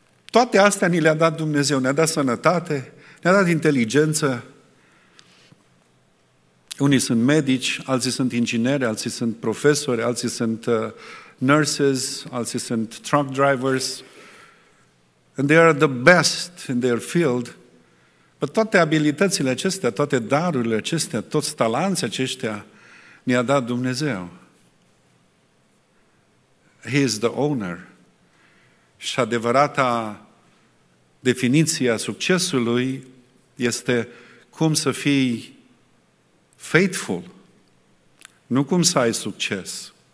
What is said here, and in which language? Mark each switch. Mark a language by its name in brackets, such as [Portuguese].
[Romanian] Toate astea ni le-a dat Dumnezeu. Ne-a dat sănătate, ne-a dat inteligență. Unii sunt medici, alții sunt ingineri, alții sunt profesori, alții sunt nurses, alții sunt truck drivers. [English] And they are the best in their field. But [Romanian] toate abilitățile acestea, toate darurile acestea, toți talanții aceștia, ne-a dat Dumnezeu. [English] He is the owner. [Romanian] Și adevărata definiție a succesului este cum să fii faithful, nu cum să ai succes.